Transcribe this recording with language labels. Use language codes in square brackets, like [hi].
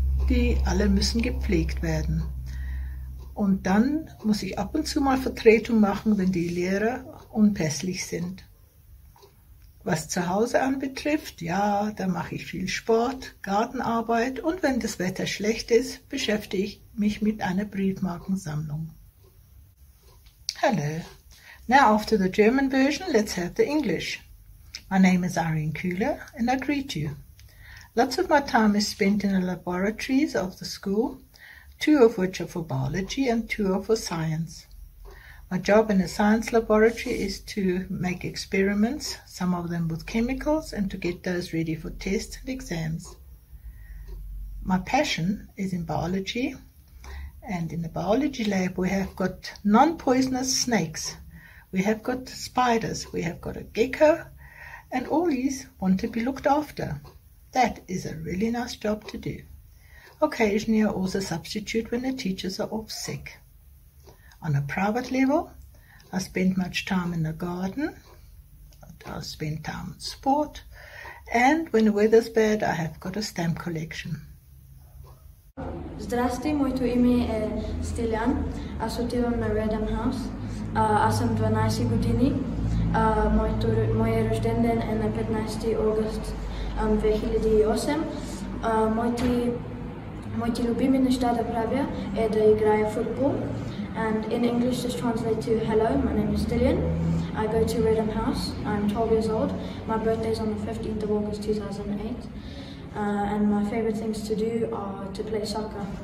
[de] Die alle müssen gepflegt werden. Und dann muss ich ab und zu mal Vertretung machen, wenn die Lehrer unpässlich sind. Was zu Hause anbetrifft, ja, da mache ich viel Sport, Gartenarbeit und wenn das Wetter schlecht ist, beschäftige ich mich mit einer Briefmarkensammlung. [en] Hello. Now after the German version, let's have the English. My name is Irene Kühler and I greet you. Lots of my time is spent in the laboratories of the school, two of which are for biology and two are for science. My job in a science laboratory is to make experiments, some of them with chemicals, and to get those ready for tests and exams. My passion is in biology. And in the biology lab, we have got non-poisonous snakes. We have got spiders. We have got a gecko. And all these want to be looked after. That is a really nice job to do. Occasionally, I also substitute when the teachers are off sick. On a private level, I spend much time in the garden. I spend time on sport. And when the weather's bad, I have got a stamp collection. [bg] Здрасти, моето име е Стелян. Аз отивам на Reddam House. Аз съм 12 години. Моя рожден ден е на 15 август 2008. Моите любими неща да правя е да играя футбол. [en] And in English, this translates to hello, my name is Dillian. I go to Reddam House. I'm 12 years old. My birthday is on the 15th of August 2008. And my favorite things to do are to play soccer.